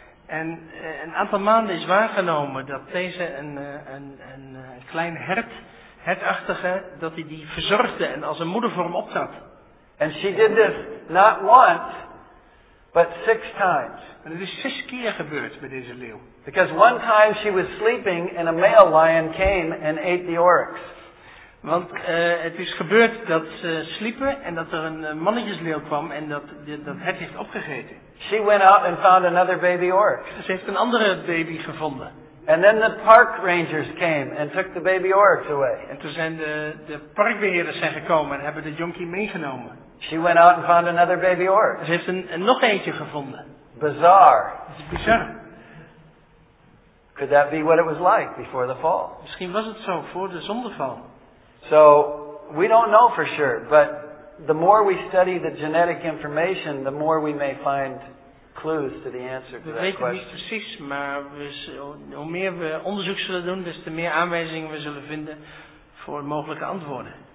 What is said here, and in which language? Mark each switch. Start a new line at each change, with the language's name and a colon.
Dutch: En een aantal maanden is waargenomen dat deze een klein hert, hertachtige, dat hij die verzorgde en als een moeder voor hem opzat.
English: And she did this not once, but 6 times.
Dutch: En het is 6 keer gebeurd met deze leeuw.
English: Because one time she was sleeping and a male lion came and ate the oryx.
Dutch: Want het is gebeurd dat ze sliepen en dat er een mannetjesleeuw kwam en dat het heeft opgegeten.
English: She went out and found another baby oryx.
Dutch: Ze heeft een andere baby gevonden.
English: And then the park rangers came and took the baby oryx away.
Dutch: En toen zijn de parkbeheerders zijn gekomen en hebben de junkie meegenomen.
English: She went out and found another baby oryx.
Dutch: Ze heeft een nog eentje gevonden.
English: Bizarre.
Dutch: Het is bizar.
English: Could that be what it was like before the fall?
Dutch: Misschien was het zo voor de zondeval.
English: So we don't know for sure, but the more we study the genetic information, the more we may find clues to the answer to that question.
Dutch: We weten niet precies, maar hoe meer we onderzoek zullen doen, des te meer aanwijzingen we zullen vinden voor mogelijke antwoorden.